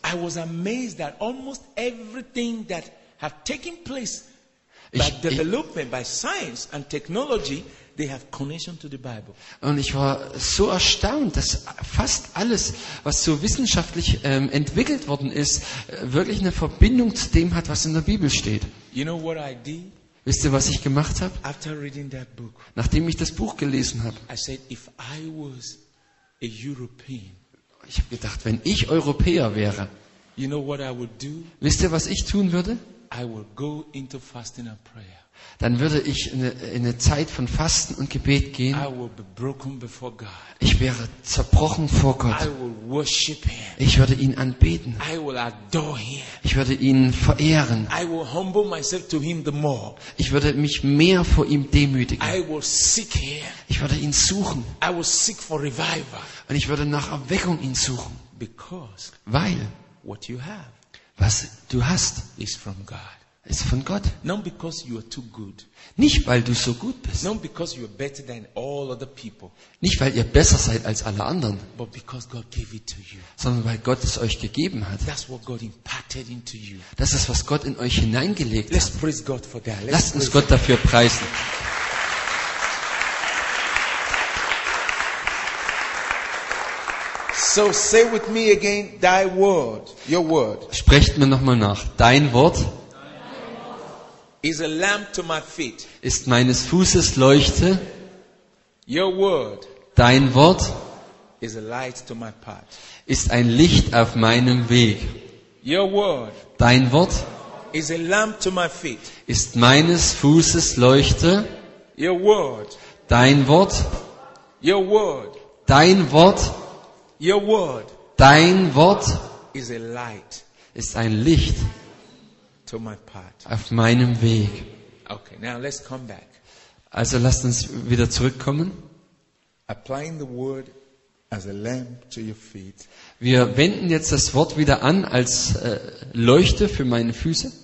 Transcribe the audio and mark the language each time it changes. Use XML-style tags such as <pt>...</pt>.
<en>I was amazed that almost everything that had taken place by development, by science and technology, they have connection to the Bible.</en> <de>Und ich war so erstaunt, dass fast alles, was so wissenschaftlich entwickelt worden ist, wirklich eine Verbindung zu dem hat, was in der Bibel steht.</de> <en>You know what I did?</en> <de>Wisst ihr, was ich gemacht habe?</de> <en>After reading that book,</en> <de>nachdem ich das Buch gelesen habe,</de> <en>I said, if I was a European,</en> <de>ich habe gedacht, wenn ich Europäer wäre,</de> <en>you know what I would do?</en> <de>Wisst ihr, was ich tun würde?</de> <en>I would go into fasting and prayer.</en> <de>Dann würde ich in eine Zeit von Fasten und Gebet gehen.</de> <en>I would be broken before God.</en> <de>Ich wäre zerbrochen vor Gott.</de> <en>I would worship him.</en> <de>Ich würde ihn anbeten.</de> <en>I would adore him.</en> <de>Ich würde ihn verehren.</de> <en>I would humble myself to him the more.</en> <de>Ich würde mich mehr vor ihm demütigen.</de> <en>I would seek him.</en> <de>Ich würde ihn suchen.</de> <en>I would seek for revival.</en> <de>Und ich würde nach Erweckung ihn suchen.</de> <en>Because</en> <de>weil</de> <en>what you have,</en> <de>was du hast,</de> <en>is from God.</en> <de>Ist von Gott.</de> <en>Not because you are too good.</en> <de>Nicht weil du so gut bist.</de> <en>Not because you are better than all other people.</en> <de>Nicht weil ihr besser seid als alle anderen.</de> <en>But because God gave it to you.</en> <de>Sondern weil Gott es euch gegeben hat.</de> <en>That's what God imparted into you.</en> <de>Das ist was Gott in euch hineingelegt</de> <en>Let's</en> <de>hat.</de> <en>Praise God for that. Let's</en> <de>Lasst uns Gott dafür preisen.</de> <en>So say with me again, thy word, your word.</en> <de>Sprecht mir nochmal nach, dein Wort.</de> <en>Is a lamp to my feet.</en> <de>Ist meines Fußes Leuchte.</de> <en>Your word.</en> <de>Dein Wort.</de> <en>Is a light to my path.</en> <de>Ist ein Licht auf meinem Weg.</de> <en>Your word.</en> <de>Dein Wort.</de> <en>Is a lamp to my feet.</en> <de>Ist meines Fußes Leuchte.</de> <en>Your word.</en> <de>Dein Wort.</de> <en>Your word.</en> <de>Dein Wort.</de> <en>Your word.</en> <de>Dein Wort.</de> <en>Is a light.</en> <de>Ist ein Licht.</de> <en>To my path.</en> <de>Auf meinem Weg.</de> <en>Okay, now let's come back.</en> <de>Also lasst uns wieder zurückkommen.</de> <en>Applying the word as a lamp to your feet.</en> <de>Wir wenden jetzt das Wort wieder an als Leuchte für meine Füße.</de>